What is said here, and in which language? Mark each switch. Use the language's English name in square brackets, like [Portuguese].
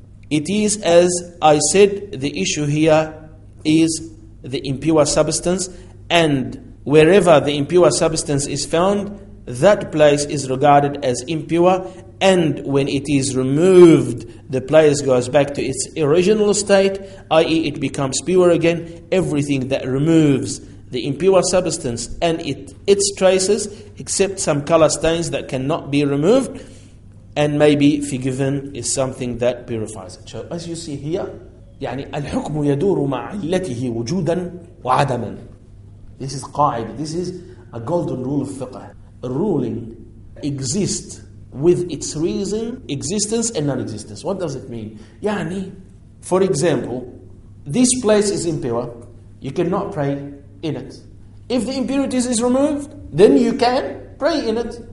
[English] It is, as I said, the issue here is the impure substance, and wherever the impure substance is found, that place is regarded as impure, and when it is removed, the place goes back to its original state, i.e. it becomes pure again. Everything that removes the impure substance and its traces, except some color stains that cannot be removed and may be forgiven, is something that purifies it. So as you see here, [Arabic] يعني الحكم يدور مع علته وجودا وعدما. [English] This is qaid. This is a golden rule of fiqh. Ruling exists with its reason, existence and non-existence. What does it mean? يعني, for example, this place is impure. You cannot pray in it. If the impurities is removed, then you can pray in it.